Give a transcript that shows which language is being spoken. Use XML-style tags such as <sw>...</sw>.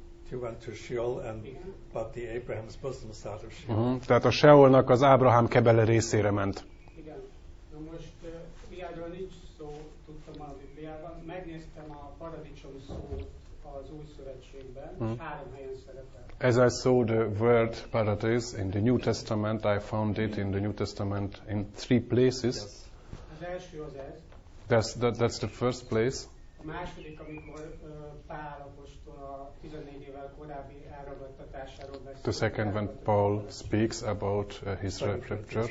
<en>He went to Sheol, and but the Abraham's bosom side of Sheol.</en> <hu>Tehát a Sheolnak az Ábrahám kebele részére ment. Igen. Na most Bibliáról nincs szó, tudtam a Bibliában. Megnéztem a paradicsom szót az Új Szövetségben, három helyen szerepel.</hu> <en>As I saw the word paradise in the New Testament, I found it in the New Testament in three places.</en> <hu>Yes. Az első az ez.</hu> <en>That's the first place.</en> <hu>Második, amikor Pál apostol a 14 évvel korábbi elragadtatásáról beszél.</hu> <en>The second when Paul speaks about his rapture.</en>